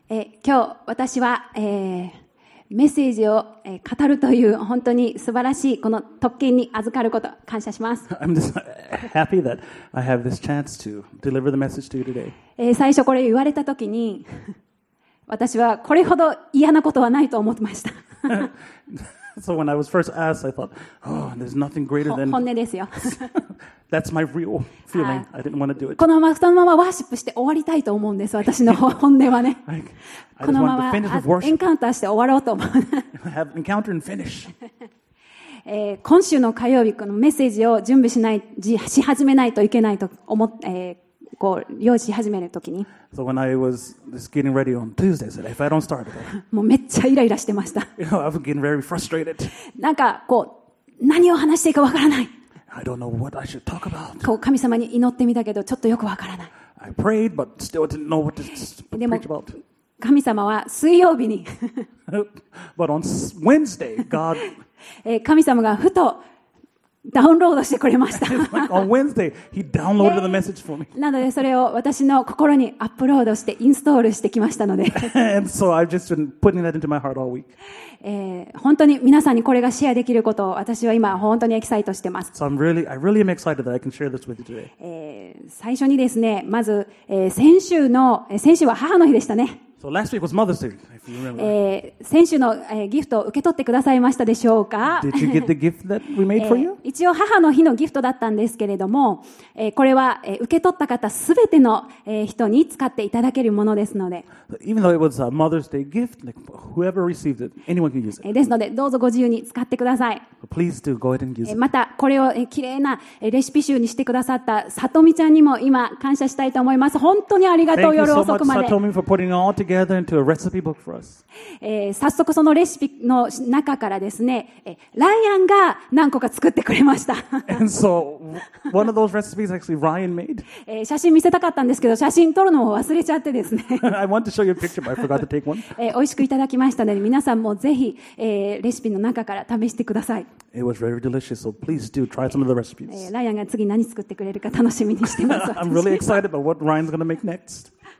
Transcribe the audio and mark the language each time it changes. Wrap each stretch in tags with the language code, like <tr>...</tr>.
<ja>今日私は、メッセージを語るという本当に素晴らしいこの特権に預かること感謝します。</ja> <en>I'm just happy that I have this chance to deliver the message to you today.</en> <ja>最初これ言われた時に私はこれほど嫌なことはないと思ってました。</ja> <en>So when I was first asked, I thought, oh, there's nothing greater than...</en> <ja>本音ですよ。</ja> <en>That's my real feeling. I didn't want to do it.</en> <ja>このまま、そのままワーシップして終わりたいと思うんです、私の本音はね。このまま、エンカウンターして終わろうと思う。</ja> <en>Have encounter and finish.</en> <ja>今週の火曜日、このメッセージを準備しない、し始めないといけないと思って、こう用意し始めるときに、</ja> <en>so when I was just getting ready on Tuesday, I said, if I don't start it,</en> <ja>もうめっちゃイライラしてました。</ja> <en>You know, I was getting very frustrated.</en> <ja>なんかこう何を話していいかわからない。</ja> <en>I don't know what I should talk about.</en> <ja>こう神様に祈ってみたけどちょっとよくわからない。</ja> <en>I prayed, but still didn't know what to preach about.</en> <ja>神様は水曜日に、</ja> <en>but on Wednesday, God,</en> <ja>神様がふとダウンロードしてくれました。</ja> <en>Like on Wednesday, he downloaded the message for me.</en> <ja>なのでそれを私の心にアップロードしてインストールしてきましたので。</ja> <en>And so I've just been putting that into my heart all week.</en> <ja>本当に皆さんにこれがシェアできることを私は今本当にエキサイトしてます。</ja> <en>So I really am excited that I can share this with you today.</en> <ja>最初にですね、まず、先週は母の日でしたね。</ja> <en>So last week was Mother's Day, if you remember.</en> <ja>先週の、ギフトを受け取ってくださいましたでしょうか。</ja> <en>Did you get the gift that we made for you?</en> <ja>一応母の日のギフトだったんですけれども、これは、受け取った方すべての、人に使っていただけるものですので。</ja> <en>Even though it was a Mother's Day gift, like, whoever received it, anyone can use it.</en> <ja>ですのでどうぞご自由に使ってください。</ja> <en>Please do go ahead and use it.</en> <ja>またこれを、きれいなレシピ集にしてくださったさとみちゃんにも今感謝したいと思います。本当にありがとう。</ja> <en>Thank you</en> <ja>so、夜遅くまで。</ja> <en>Thank you so much, Satomi, for putting all together. Into a recipe book for us.</en> <ja>早速そのレシピの中からですね、ライアンが何個か作ってくれました。</ja> <en>And so, one of those recipes actually Ryan made.</en> <ja>写真見せたかったんですけど写真撮るのを忘れちゃってですね。</ja> <en>I want to show you a picture but I forgot to take one.</en> <ja>美味しくいただきましたので皆さんもぜひ、レシピの中から試してください。</ja> <en>It was very delicious, so please do try some of the recipes.</en> <ja>ライアンが次何作ってくれるか楽しみにしてます。</ja> <en>I'm really excited about what Ryan's going to make next.</en>